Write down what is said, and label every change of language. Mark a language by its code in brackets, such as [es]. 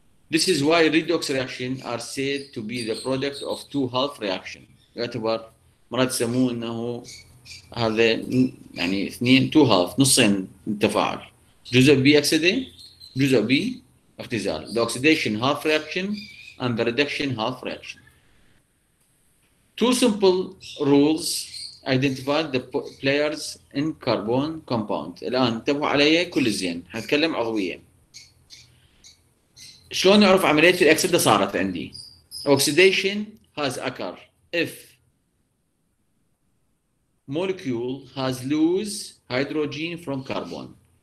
[en] This is why redox reaction are said to be the product of two half reaction. [ar] يعتبر مرات يسموه انه هذا يعني اثنين two half، نصين تفاعل، جزء بي اكسده جزء بي اختزال. [en] The oxidation half reaction and the reduction half reaction. Two simple rules identify the players in carbon compound. [ar] الآن انتبهوا علي كل زين، هنتكلم عضوية. [en] شلون نعرف عملية الأكسدة صارت عندي؟ Oxidation has occurred if molecule has lose hydrogen from carbon.